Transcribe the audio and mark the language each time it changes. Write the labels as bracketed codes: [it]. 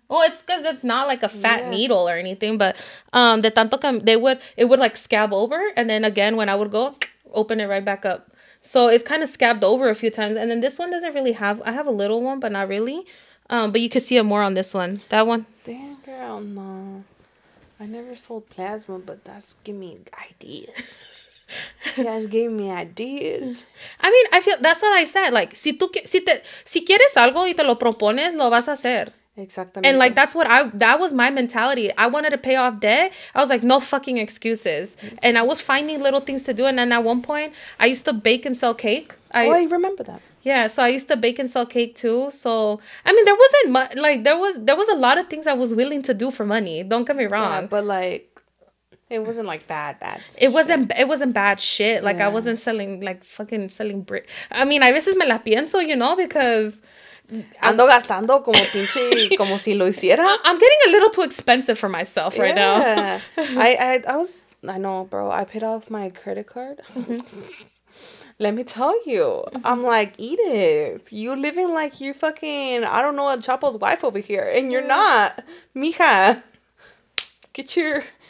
[en] Well, it's because it's not like a fat needle or anything, but the tanto que it would like scab over, and then again when I would go open it right back up, so it's kind of scabbed over a few times. And then this one doesn't really have. I have a little one, but not really. But you can see it more on this one. That one. Damn girl, no, I never sold plasma, but that's giving me ideas. Guys gave me ideas. I mean, I feel that's what I said. [es] Like, si quieres algo y te lo propones, lo vas a hacer. [en] Exactly. And like that's what that was my mentality. I wanted to pay off debt. I was like, no fucking excuses. And I was finding little things to do. And then at one point I used to bake and sell cake. I remember that. Yeah, so I used to bake and sell cake too. So I mean, there wasn't much, like there was a lot of things I was willing to do for money, don't get me wrong. Yeah, but like it wasn't like bad. It wasn't bad shit. Like yeah. I wasn't selling like fucking selling brick. I mean, I veces me la pienso, you know, because [es] ando gastando como pinche como si lo hiciera. [en] I'm getting a little too expensive for myself right now. I know, bro. I paid off my credit card. Let me tell you. I'm like, eat it. You living like you fucking, I don't know, El Chapo's wife over here. And you're not. Mija. Get your...